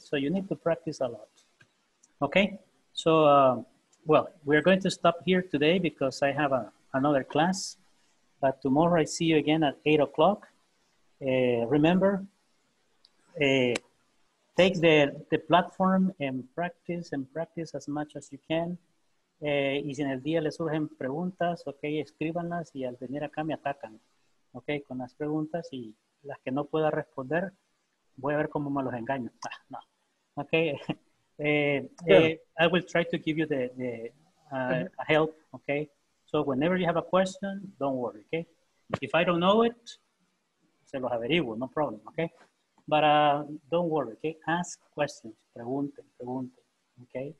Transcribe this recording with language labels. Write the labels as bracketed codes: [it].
[en] So you need to practice a lot, okay? So, well, we're going to stop here today because I have another class, but tomorrow I see you again at 8 o'clock. Remember, take the platform and practice as much as you can. [es] Y si en el día les surgen preguntas, ok, escríbanlas y al venir acá me atacan, ok, con las preguntas y las que no pueda responder, voy a ver cómo me los engaño. [en] Ah, no, ok, I will try to give you the help, ok. So whenever you have a question, don't worry, ok. If I don't know it, [es] se los averiguo, [en] no problem, ok. But don't worry, okay? Ask questions, [es] pregunten, [en] okay?